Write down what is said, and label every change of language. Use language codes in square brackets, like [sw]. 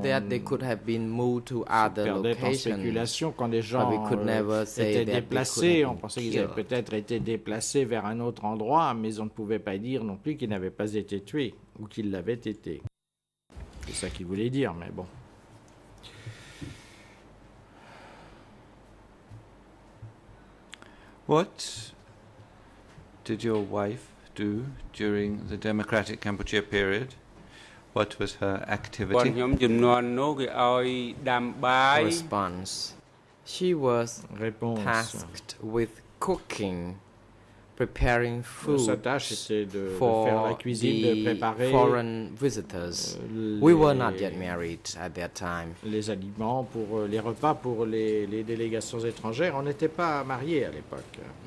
[en] that they could have been moved to other locations. [fr] Quand les gens [en] but we could never say that [fr] déplacés. [en] They could have [fr] on pensait peut-être été déplacés vers un autre endroit, mais on ne pouvait pas dire non plus qu'ils n'avaient pas été tués ou qu'ils l'avaient été. C'est ça qu'il voulait dire, mais bon. [en] What did your wife do during the Democratic Cambodia period? What was her activity? Response. She was [fr] réponse. [en] Tasked with cooking, preparing food [fr] sa tâche était de [en] for [fr] faire la cuisine, [en] the [fr] de préparer [en] foreign visitors. We were not yet married at that time. [fr] Les aliments pour les repas pour les délégations étrangères, on n'était pas mariés à l'époque.